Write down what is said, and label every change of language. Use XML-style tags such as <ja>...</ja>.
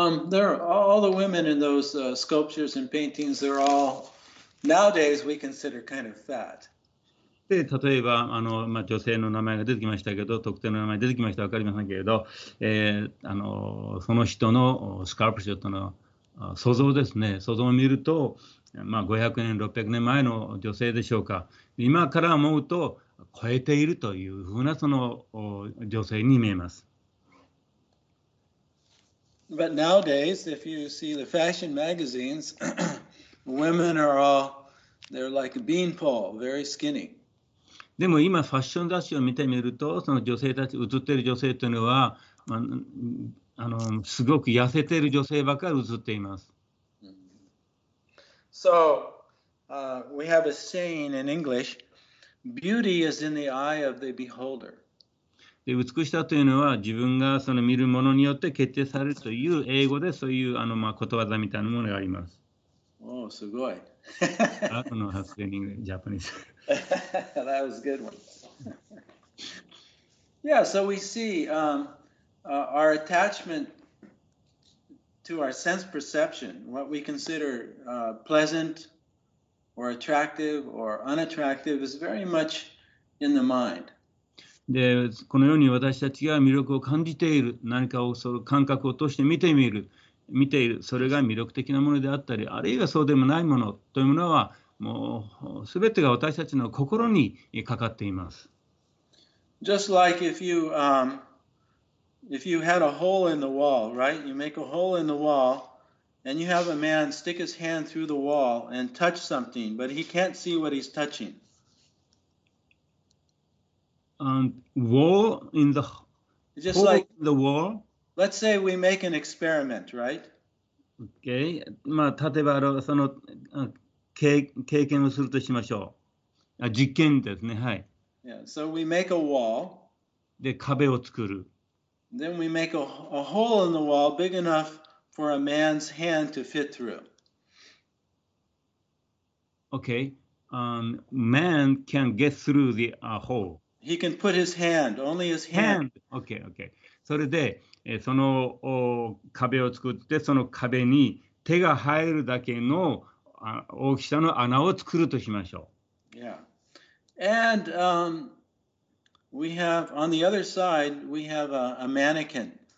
<en>There are all the women in those sculptures and paintings, they're all nowadays we consider kind of fat.</en> <ja>で例えば女性の名前が出てきましたけど、特定の名前が出てきました、分かりませんけれど、その人のスカルプチャーとの想像ですね、想像を見ると、まあ、500年、600年前の女性でしょうか、今から思うと、超えているというふうなその女性に見えます。</ja> <en>But nowadays, if you see the fashion magazines, women are all, they're like a beanpole, very skinny.</en> <ja>でも今ファッション雑誌を見てみるとその女性たち写っている女性というのは、まあ、すごく痩せている女性ばかり写っています。</ja> <en>So, we have a saying in English, beauty is in the eye of the beholder.</en> <ja>で美しさというのは自分がその見るものによって決定されるという英語でそういうことわざみたいなものがあります。おお、すごい。あとの発言にジャパニーズ。</ja> <en>That was a good one. Yeah, so we see our attachment to our sense perception, what we consider pleasant or attractive or unattractive, is very much in the mind.</en> <ja>で、このように私たちが魅力を感じている、何かをその感覚を通して見ている、それが魅力的なものであったり、あるいはそうでもないものというものは、もうすべてが私たちの心にかかっています。</ja> <en>Just like if you, If you had a hole in the wall, right? You make a hole in the wall, and you have a man stick his hand through the wall and touch something, but he can't see what he's touching. Wall in the just hole like in the wall. Let's say we make an experiment, right? Okay.</en> <ja>まあ例えばその経験をするとしましょう。あ、実験ですね。はい。</ja> <en>Yeah. So we make a wall.</en> <ja>で壁を作る。</ja> <en>Then we make a hole in the wall big enough for a man's hand to fit through. Okay. Man can get through the hole. He can put his hand, only his hand. Okay, okay.</en> <ja>それで、その壁を作って、その壁に手が入るだけの大きさの穴を作るとしましょう。 Yeah.</ja> <en>And, we have on the other side we have a mannequin.</en>